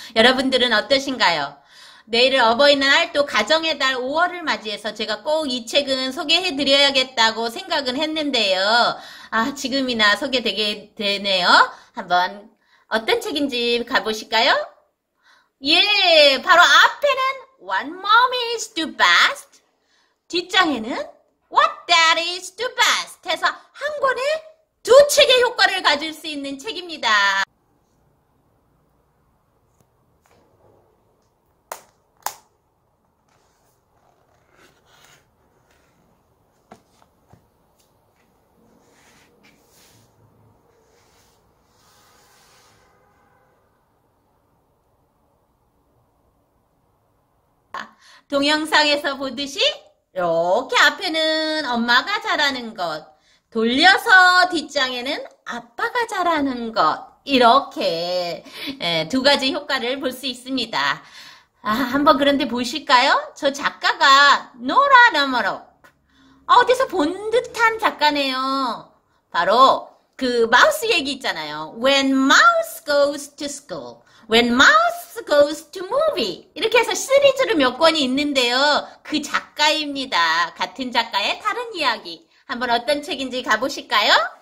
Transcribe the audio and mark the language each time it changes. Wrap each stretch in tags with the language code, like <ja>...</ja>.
<ko>여러분들은 어떠신가요? 내일은 어버이날, 또 가정의 달 5월을 맞이해서 제가 꼭이 책은 소개해드려야겠다고 생각은 했는데요. 지금이나 소개되게 되네요. 한번 어떤 책인지 가보실까요? 예, 바로 앞에는</ko> <en>What mom is the best?</en> <ko>뒷장에는</ko> <en>What dad is the best?</en> <ko>해서 한 권에 두 책의 효과를 가질 수 있는 책입니다. 동영상에서 보듯이 이렇게 앞에는 엄마가 잘하는 것, 돌려서 뒷장에는 아빠가 잘하는 것, 이렇게 두 가지 효과를 볼수 있습니다. 한번 그런데 보실까요? 저 작가가 노라 너머로 어디서 본 듯한 작가네요. 바로 그 마우스 얘기 있잖아요.</ko> <en>When mouse goes to school. When Mouse Goes to Movie.</en> <ko>이렇게 해서 시리즈로 몇 권이 있는데요. 그 작가입니다. 같은 작가의 다른 이야기. 한번 어떤 책인지 가보실까요?</ko>